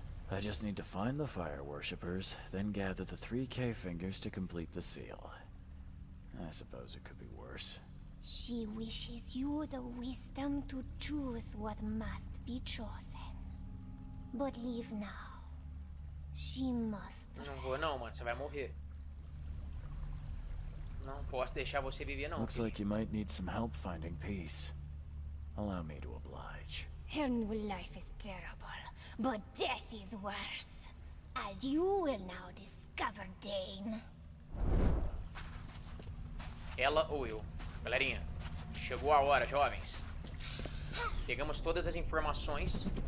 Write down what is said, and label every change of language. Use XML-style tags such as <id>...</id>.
<en>I just need to find the fire worshippers, then gather the three Kay fingers to complete the seal. I suppose it could be worse. She wishes you the wisdom to choose what must be chosen. But leave now. She must.</en> <pt>Não vou não, mano. Você vai morrer. Não posso deixar você viver não.</pt> <en>Looks like you might need some help finding peace. Allow me to oblige. Her new life is terrible, but death is worse. As you will now discover, Dane.</en> <pt>Ela ou eu? Galerinha, chegou a hora, jovens. Pegamos todas as informações.</pt>